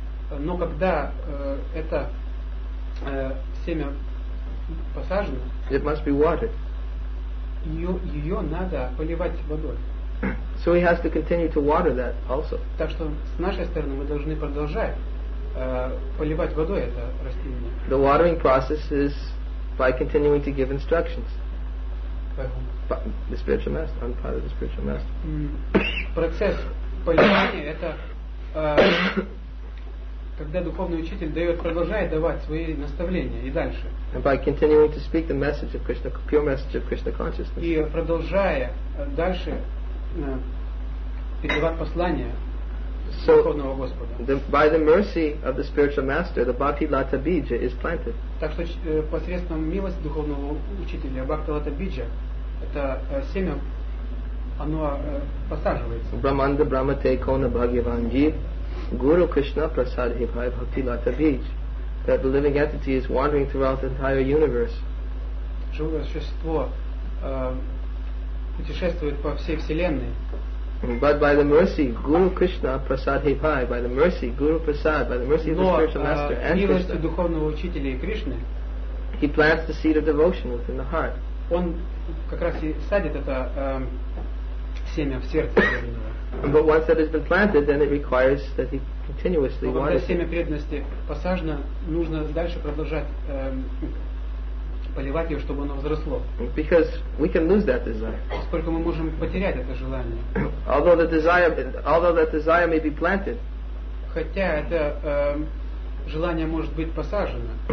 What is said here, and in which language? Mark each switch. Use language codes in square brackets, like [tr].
[ru] но когда это семя посажено, [en] it must be watered. [ru] Ее надо поливать водой. [en] So he has to continue to water that also. [ru] Так что с нашей стороны мы должны продолжать поливать водой это растение. [en] The watering process is by continuing to give instructions. The spiritual master. [ru] Процесс понимания это когда духовный учитель дает продолжает давать свои наставления и дальше. [en] And by continuing to speak the message of Krishna, pure message of Krishna consciousness. [ru] И продолжая дальше передавать послание духовного Господа. [en] By the mercy of the spiritual master, the Bhakti Lata Bija is planted. [ru] Так что посредством милости духовного учителя Бхакти Лата Биджа это семя, оно посаживается. [sa] Браманда Брама Тейкона Бхагиванги Гуру Кришна Прасад Хибхай Бхакти Лата Бидж. [en] That the living entity is wandering throughout the entire universe. [ru] Живое существо путешествует по всей вселенной. [en] But by the mercy, [sa] Guru Krishna Prasad Hipai, [en] by the mercy, Guru Prasad, by the mercy of the spiritual master and Krishna. [ru] Милостью духовного учителя и Кришны. [en] He plants the seed of devotion within the heart. [ru] Он как раз и садит это семя в сердце. [en] But once that has been planted, then it requires that he continuously waters. [ru] Когда семя преданности посажено, нужно дальше продолжать поливать ее, чтобы оно взросло. [en] Because we can lose that desire. [ru] Поскольку мы можем потерять это желание. [en] Although that desire may be planted. [ru] Хотя это желание может быть посажено.